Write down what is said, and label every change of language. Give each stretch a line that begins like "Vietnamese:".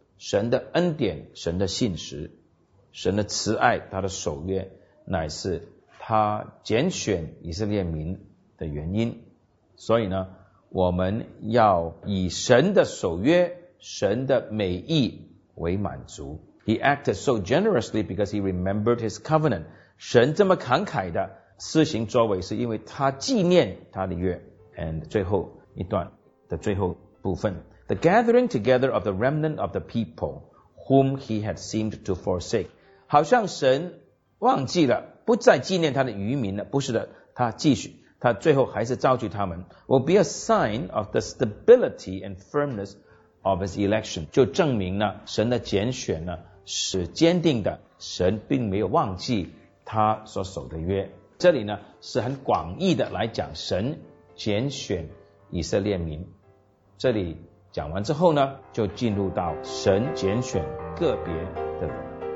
Chinese: 神的恩典，神的信实，神的慈爱，他的守约，乃是他拣选以色列民的原因。所以呢，我们要以神的守约、神的美意为满足。
English: He acted so generously because he remembered his covenant.
Chinese: 神这么慷慨的施行作为，是因为他纪念他的约。 And 最后一段的最后部分。
English: The gathering together of the remnant of the people whom he had seemed to forsake.
Chinese: 好像神忘记了，不再纪念他的余民了。不是的，他继续，他最后还是召集他们。
English: Will be a sign of the stability and firmness of his election.
Chinese: 就证明了神的拣选呢是坚定的，神并没有忘记他所守的约。这里呢是很广义的来讲神拣选以色列民。这里讲完之后呢，就进入到神拣选个别的人。